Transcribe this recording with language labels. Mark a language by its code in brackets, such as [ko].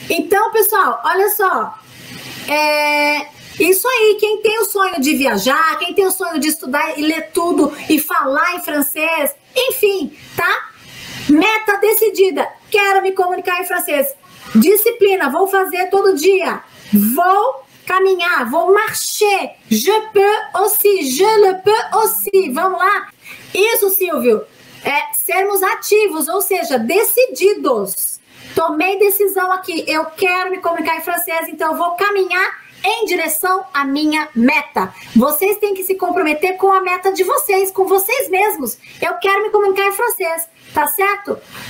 [pt] Então, pessoal, olha só. É isso aí, quem tem o sonho de viajar, quem tem o sonho de estudar e ler tudo e falar em francês, enfim, tá? Meta decidida, quero me comunicar em francês. Disciplina, vou fazer todo dia. Vou caminhar, vou marcher. [fr] Je peux aussi, je le peux aussi. [pt] Vamos lá? Isso, Silvio, é sermos ativos, ou seja, decididos. Tomei decisão aqui, eu quero me comunicar em francês, então eu vou caminhar em direção à minha meta. Vocês têm que se comprometer com a meta de vocês, com vocês mesmos. Eu quero me comunicar em francês, tá certo?